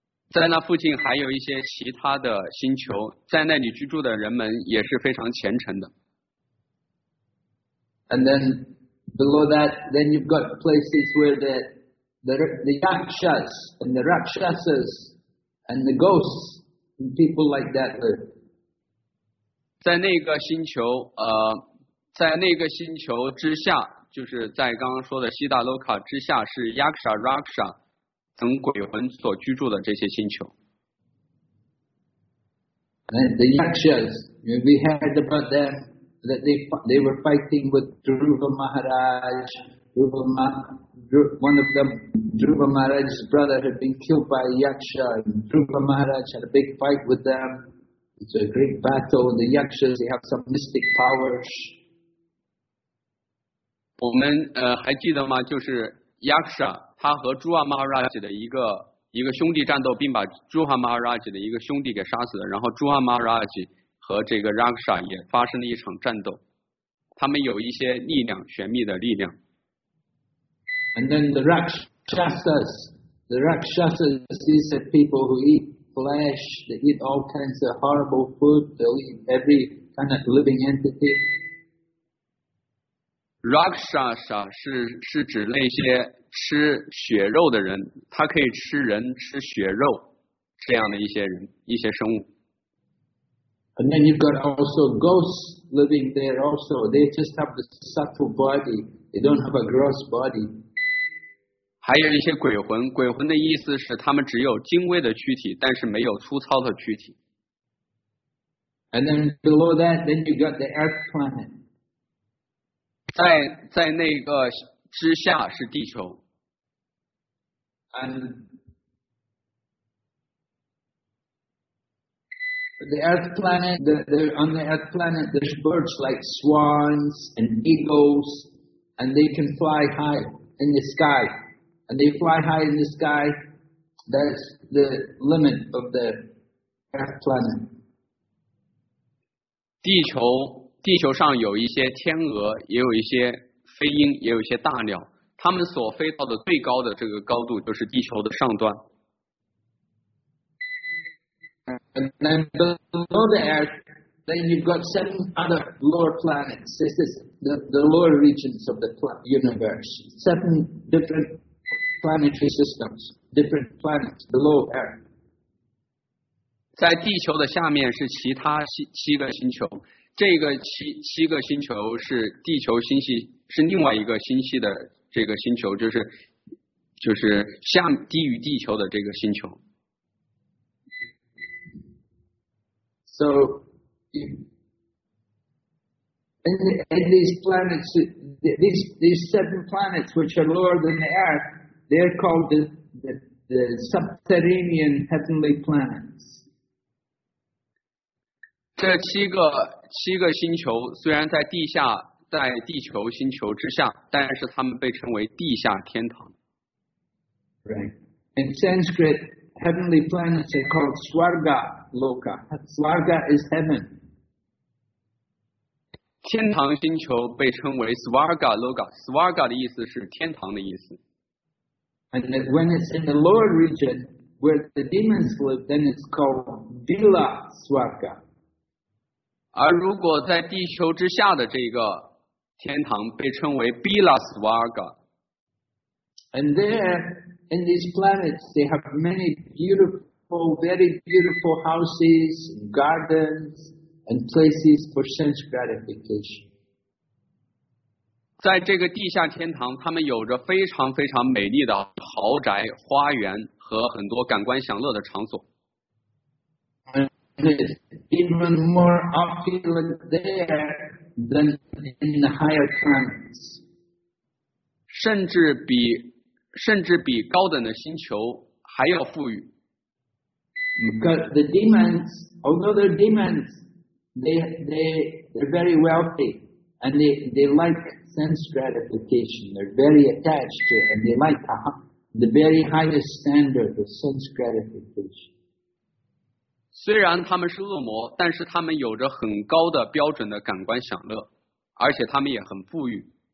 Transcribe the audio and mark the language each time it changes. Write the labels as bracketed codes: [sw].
[zh] 在那附近还有一些其他的星球，在那里居住的人们也是非常虔诚的。 [en] And then below that, then you've got places where the yakshas and the rakshasas and the ghosts and people like that live. [zh] 在那个星球，在那个星球之下，就是在刚刚说的西达罗卡之下，是 yaksha raksha。等鬼魂所居住的这些星球。 [en] The Yakshas, we heard about them, that they were fighting with Dhruva Maharaj. One of them, Dhruva Maharaj's brother, had been killed by a Yaksha. Dhruva Maharaj had a big fight with them. It's a great battle. The Yakshas, they have some mystic powers. [zh] 我们还记得吗？就是 Yaksha。他和朱瓦马哈拉吉的一个兄弟战斗，并把朱瓦马哈拉吉的一个兄弟给杀死了。然后朱瓦马哈拉吉和这个拉克沙也发生了一场战斗。他们有一些力量，玄秘的力量。 [en] And then the Rakshasas, these are people who eat flesh. They eat all kinds of horrible food. They'll eat every kind of living entity. [zh] Rakshasa 是指那些吃血肉的人，他可以吃人、吃血肉这样的一些人、一些生物。 [en] And then you've got also ghosts living there also. They just have the subtle body. They don't have a gross body. [zh] 还有一些鬼魂，鬼魂的意思是他们只有精微的躯体，但是没有粗糙的躯体。 [en] And then below that, then you've got the earth planet. [zh] 在那个之下是地球。 [en] And the earth planet, on the earth planet, there's birds like swans and eagles, and they can fly high in the sky. And they fly high in the sky, that's the limit of the earth planet. [zh] 地球上有一些天鹅，也有一些飞鹰，也有一些大鸟，它们所飞到的最高的这个高度就是地球的上端。 [en] And then below the earth, then you've got seven other lower planets. This is the lower regions of the universe. Seven different planetary systems, different planets below earth. [zh] 在地球的下面是其他七个星球。这个七个星球是地球星系，是另外一个星系的这个星球，就是下低于地球的这个星球。 [en] So in these planets, these seven planets which are lower than the Earth, they're called the subterranean heavenly planets. [zh] 这七个星球虽然在地下，在地球星球之下，但是它们被称为地下天堂。 [en] Right. In Sanskrit, heavenly planets are called Swarga Loka. Swarga is heaven. [zh] 天堂星球被称为 Svarga Loka， Svarga 的意思是天堂的意思。 [en] And that when it's in the lower region where the demons live, then it's called Vila Svarga。 [zh] 而如果在地球之下的这个天堂被称为 Vila Svarga。 [en] And there, in these planets, they have many beautiful, very beautiful houses, gardens, and places for sense gratification. [zh] 在这个地下天堂，他们有着非常非常美丽的豪宅、花园和很多感官享乐的场所。 [en] And it's even more opulent there than in the higher planets. [zh] 甚至比高等的星球还要富裕。 [en] Because the demons, although they're demons, they're very wealthy and they like sense gratification. They're very attached to it and they like the very highest standard of sense gratification. [zh] 虽然他们是恶魔，但是他们有着很高的标准的感官享乐，而且他们也很富裕。